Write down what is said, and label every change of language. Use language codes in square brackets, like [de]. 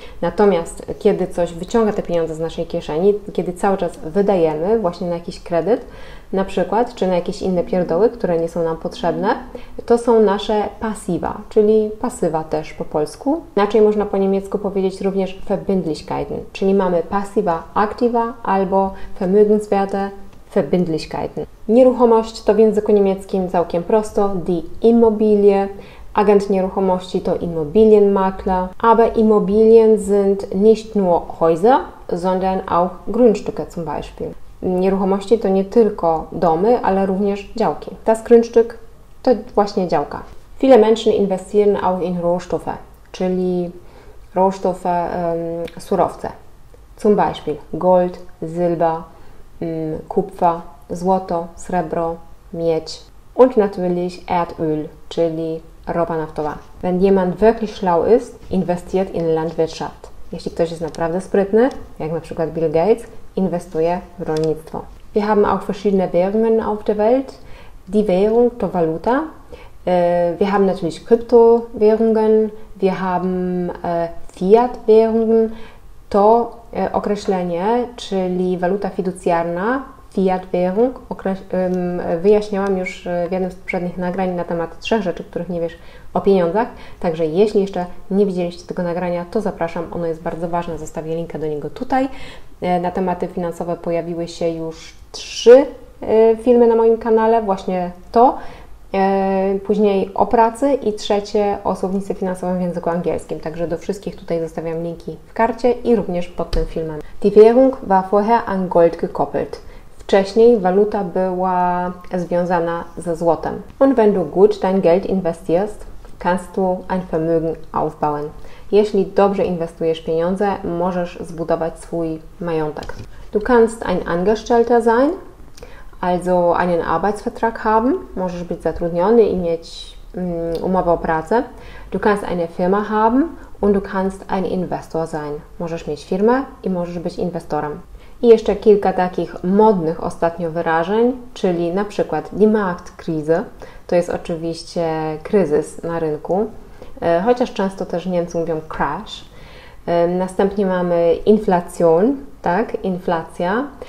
[pl] Natomiast kiedy coś wyciąga te pieniądze z naszej kieszeni, kiedy cały czas wydajemy właśnie na jakiś kredyt, na przykład, czy na jakieś inne pierdoły, które nie są nam potrzebne, to są nasze pasiva, czyli pasywa też po polsku. Inaczej można po niemiecku powiedzieć również Verbindlichkeiten, czyli mamy pasiva aktiva albo Vermögenswerte Verbindlichkeiten. Nieruchomość to w języku niemieckim całkiem prosto, die Immobilie. Agent nieruchomości to Immobilienmakler. [de] Aber Immobilien sind nicht nur Häuser, sondern auch Grundstücke zum Beispiel. [pl] Nieruchomości to nie tylko domy, ale również działki. Das Grundstück to właśnie działka. [de] Viele Menschen investieren auch in Rohstoffe, [pl] czyli Rohstoffe, surowce. [de] Zum Beispiel Gold, Silber, Kupfer, [pl] złoto, srebro, miedź. [de] Und natürlich Erdöl, [pl] czyli ropa naftowa. [de] Wenn jemand wirklich schlau ist, investiert in Landwirtschaft. [pl] Jeśli ktoś jest naprawdę sprytny, jak na przykład Bill Gates, inwestuje w rolnictwo. [de] Wir haben auch verschiedene Währungen auf der Welt. Die Währung [pl] to waluta. [de] Wir haben natürlich Kryptowährungen. Wir haben Fiat-Währungen. [pl] To określenie, czyli waluta fiducjarna, Fiat-Währung, wyjaśniałam już w jednym z poprzednich nagrań na temat trzech rzeczy, których nie wiesz o pieniądzach. Także jeśli jeszcze nie widzieliście tego nagrania, to zapraszam. Ono jest bardzo ważne. Zostawię linkę do niego tutaj. Na tematy finansowe pojawiły się już trzy filmy na moim kanale. Właśnie to, później o pracy i trzecie o słownictwie finansowym w języku angielskim. Także do wszystkich tutaj zostawiam linki w karcie i również pod tym filmem. [de] Die Währung war vorher an Gold gekoppelt. [pl] Wcześniej waluta była związana ze złotem. [de] Und wenn du gut dein Geld investierst, kannst du ein Vermögen aufbauen. [pl] Jeśli dobrze inwestujesz pieniądze, możesz zbudować swój majątek. [de] Du kannst ein Angestellter sein, also einen Arbeitsvertrag haben. [pl] Możesz być zatrudniony i mieć umowę o pracę. [de] Du kannst eine Firma haben und du kannst ein Investor sein. [pl] Możesz mieć firmę i możesz być inwestorem. I jeszcze kilka takich modnych ostatnio wyrażeń, czyli na przykład die Marktkrise, to jest oczywiście kryzys na rynku, chociaż często też Niemcy mówią crash. Następnie mamy Inflation, tak, inflacja.